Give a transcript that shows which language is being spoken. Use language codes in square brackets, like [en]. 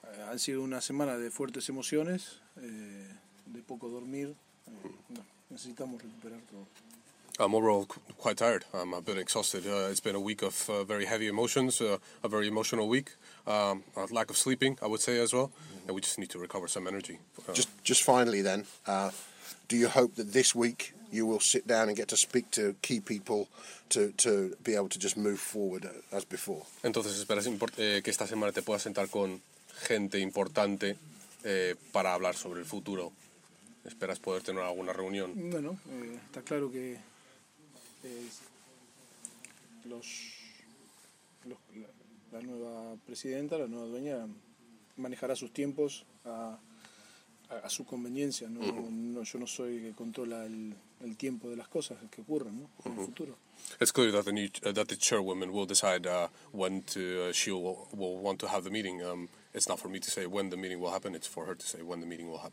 [es] Ha sido una semana de fuertes emociones, de poco dormir. Necesitamos recuperar todo. [en] I'm overall quite tired. I'm a bit exhausted. It's been a week of very heavy emotions, a very emotional week. A lack of sleeping, I would say, as well. And we just need to recover some energy. Just finally then, do you hope that this week you will sit down and get to speak to key people to be able to just move forward as before? [es] Entonces, ¿esperas que esta semana te puedas sentar con gente importante para hablar sobre el futuro? ¿Esperas poder tener alguna reunión? Bueno, está claro que la nueva presidenta, la nueva dueña, manejará sus tiempos a su conveniencia. No, no, yo no soy el que controla el tiempo de las cosas que ocurran, ¿no? En el futuro. [en] It's clear that the chairwoman will decide when to she will want to have the meeting. It's not for me to say when the meeting will happen. It's for her to say when the meeting will happen.